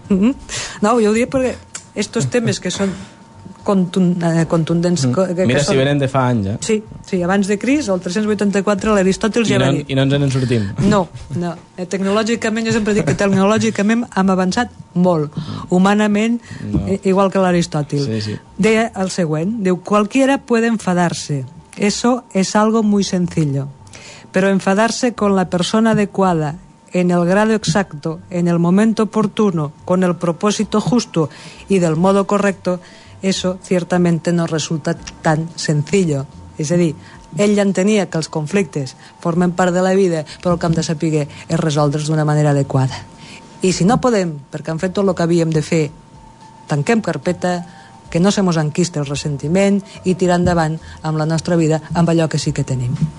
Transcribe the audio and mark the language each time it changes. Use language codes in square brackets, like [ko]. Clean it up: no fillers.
[ca] No, jo ho diria perquè estos temes que són contundents... Si venen de fa anys, eh? Sí, abans de Crist, el 384, l'Aristòtil ja va dir. I no ens en sortim. No. Tecnològicament, jo sempre dic que tecnològicament hem avançat molt. Humanament, no. Igual que l'Aristòtil. Sí. Deia el següent, diu, [es] cualquiera puede enfadarse. Eso es algo muy sencillo. Pero enfadarse con la persona adecuada, en el grado exacto, en el momento oportuno, con el propósito justo y del modo correcto, eso ciertamente no resulta tan sencillo. [ca] És a dir, ell ja entenia que els conflictes formen part de la vida, però el que hem de saber és resoldre'ls d'una manera adequada. I si no podem, perquè hem fet tot el que havíem de fer, tanquem carpeta, que no se mos enquista el ressentiment i tirar endavant amb la nostra vida, amb allò que sí que tenim.